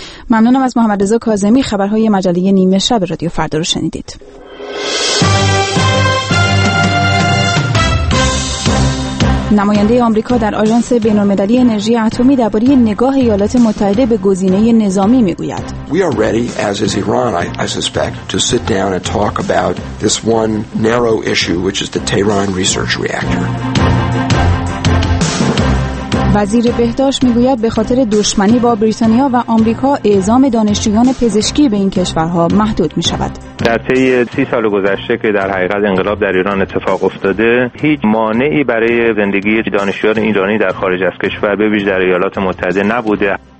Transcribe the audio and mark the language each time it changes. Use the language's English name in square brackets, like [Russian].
[Persian] ممنونم از محمد رضا کاظمی. خبرهای مجله نیمه شب رادیو فردا رو شنیدید. نماینده آمریکا در آژانس بین‌المللی انرژی اتمی درباره نگاه ایالات متحده به گزینه نظامی میگوید. [English] We are ready, as is Iran, I suspect, to sit down and talk about this one narrow issue, which is the Tehran research reactor. [Persian] وزیر بهداشت میگوید به خاطر دشمنی با بریتانیا و آمریکا اعزام دانشجویان پزشکی به این کشورها محدود میشود. در طی 30 سال گذشته که در حقیقت انقلاب در ایران اتفاق افتاده، هیچ مانعی برای زندگی دانشجویان ایرانی در خارج از کشور به ویژه در ایالات متحده نبوده.